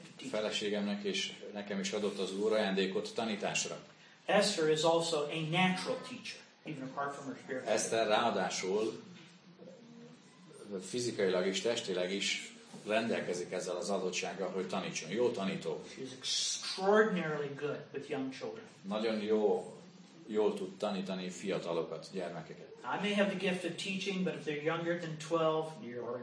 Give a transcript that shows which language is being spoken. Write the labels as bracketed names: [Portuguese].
[Hungarian] Feleségemnek és nekem is adott az Úr ajándékot tanításra. [English] Esther is also a natural teacher, even apart from her spiritual. [Hungarian] Esther ráadásul fizikailag is, testileg is rendelkezik ezzel az adottsággal, hogy tanítson. Jó tanító. [English] She's extraordinarily good with young children. [Hungarian] Nagyon jól tud tanítani fiatalokat, gyermekeket. [English] I may have the gift of teaching, but if they're younger than 12,